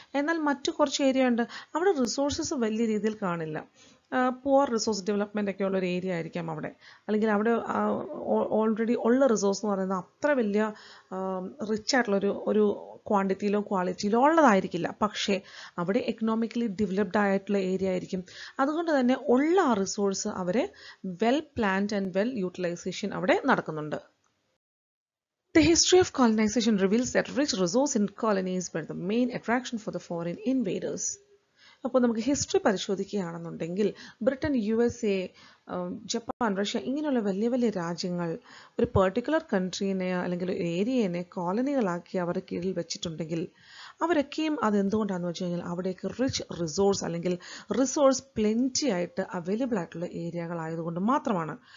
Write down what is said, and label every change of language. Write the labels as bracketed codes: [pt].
[ml] എന്നാൽ മറ്റു കുറച്ച് ഏരിയ ഉണ്ട് അവിടെ റിസോഴ്സസ് വലിയ രീതിയിൽ കാണില്ല, [en] poor resource development [ml] ഒക്കെ ഉള്ളൊരു ഏരിയ ആയിരിക്കാം അവിടെ, അല്ലെങ്കിൽ അവിടെ ഓൾറെഡി ഉള്ള റിസോഴ്സ് എന്ന് പറയുന്നത് അത്ര വലിയ റിച്ച് ആയിട്ടുള്ളൊരു ഒരു ക്വാണ്ടിറ്റിയിലോ ക്വാളിറ്റിയിലോ ഉള്ളതായിരിക്കില്ല. പക്ഷേ അവിടെ [en] economically developed [ml] ആയിട്ടുള്ള ഏരിയ ആയിരിക്കും. അതുകൊണ്ട് തന്നെ ഉള്ള ആ റിസോഴ്സ് അവരെ [en] well planned and well utilisation [ml] അവിടെ നടക്കുന്നുണ്ട്. [en] The history of colonization reveals that rich resources in colonies were the main attraction for the foreign invaders. [ml] അപ്പോൾ നമുക്ക് history പരിശോധിക്കുകയാണെന്നുണ്ടെങ്കിൽ Britain, USA, Japan, Russia ഇങ്ങനെയുള്ള വലിയ വലിയ രാജ്യങ്ങൾ ഒരു പെർട്ടിക്കുലർ കൺട്രീനെ അല്ലെങ്കിൽ ഒരു ഏരിയേനെ കോളനികളാക്കി അവരുടെ കീഴിൽ വെച്ചിട്ടുണ്ടെങ്കിൽ അവരൊക്കെയും അതെന്തുകൊണ്ടാണെന്ന് വെച്ച് കഴിഞ്ഞാൽ അവിടേക്ക് [en] rich resource [ml] അല്ലെങ്കിൽ റിസോഴ്സ് പ്ലെൻറ്റി ആയിട്ട് അവൈലബിൾ ആയിട്ടുള്ള ഏരിയകളായതുകൊണ്ട് മാത്രമാണ്.